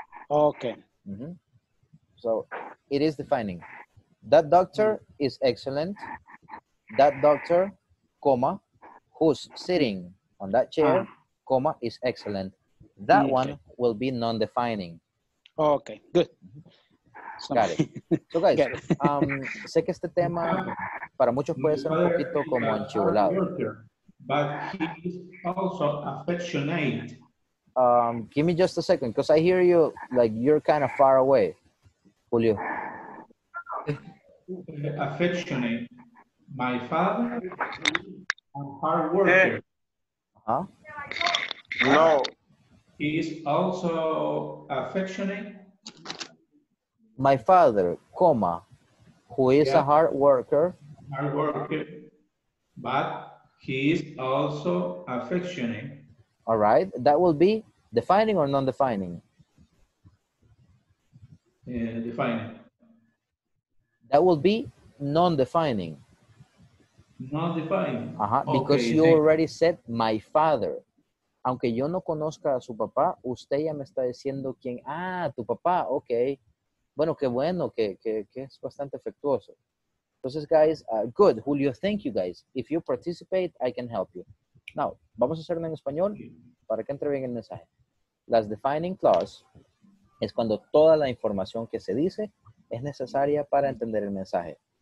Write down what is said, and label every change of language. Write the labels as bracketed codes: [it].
[en] Okay. Mm-hmm. So it is defining. That doctor is excellent. That doctor, comma, who's sitting on that chair, comma, is excellent. That one will be non-defining. Okay, good. Got it. So guys, [es] sé que este tema para muchos puede ser un poquito como enchivolado. [en] But he is also affectionate. Give me just a second, because I hear you, like you're kind of far away, Julio. Affectionate. My father is a hard worker. Huh? No. He is also affectionate. My father, comma, who is a hard worker. Hard worker, but he is also affectionate. All right. That will be defining or non-defining? Defining. That will be non-defining. Non-defining. Uh-huh, because okay, you already said my father. [es] Aunque yo no conozca a su papá, usted ya me está diciendo quién. Ah, tu papá, ok. Bueno, qué bueno, que es bastante afectuoso. [en] Entonces, guys, good. Julio, thank you, guys. If you participate, I can help you. Now, [es] vamos a hacerlo en español para que entre bien el mensaje. Las defining clause es cuando toda la información que se dice es necesaria para entender el mensaje.